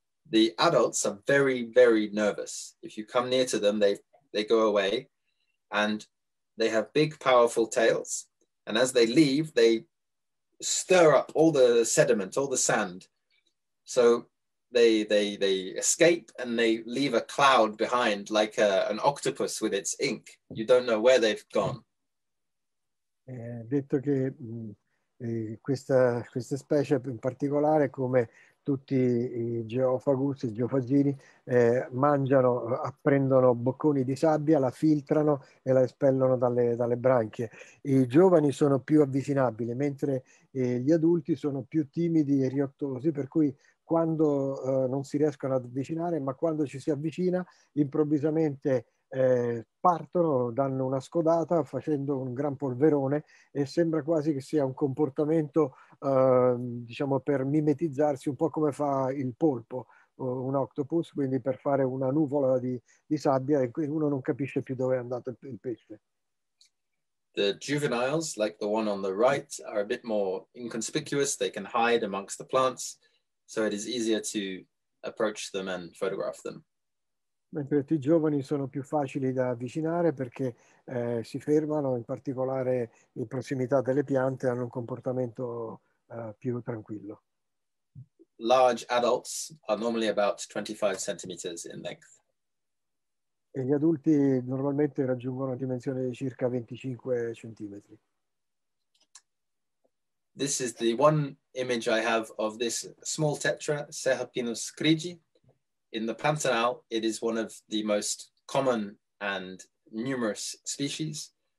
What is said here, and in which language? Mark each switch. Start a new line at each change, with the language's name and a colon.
English: The adults are very, very nervous. If you come near to them, they go away, and they have big, powerful tails. And as they leave, they stir up all the sediment, all the sand. So they escape and they leave a cloud behind, like an octopus with its ink. You don't know where they've gone.
Italian: Detto che questa specie in particolare, come tutti i geofagus, i geofagini, mangiano, apprendono bocconi di sabbia, la filtrano e la espellono dalle branchie. I giovani sono più avvicinabili, mentre gli adulti sono più timidi e riottosi, per cui quando non si riescono ad avvicinare, ma quando ci si avvicina, improvvisamente partono, danno una scodata facendo un gran polverone e sembra quasi che sia un comportamento, diciamo, per mimetizzarsi un po' come fa il polpo, un octopus, quindi per fare una nuvola di sabbia e uno non capisce più dove è andato il pesce.
English: The juveniles, like the one on the right, are a bit more inconspicuous. They can hide amongst the plants, so it is easier to approach them and photograph them.
Italian: Mentre i giovani sono più facili da avvicinare perché si fermano, in particolare in prossimità delle piante, hanno un comportamento più tranquillo.
English: Large adults are normally about 25 centimeters in length.
Italian: E gli adulti normalmente raggiungono una dimensione di circa 25 centimetri.
English: This is the one image I have of this small tetra, Serpinus grigi. In the Pantanal, it is one of the most common and numerous species.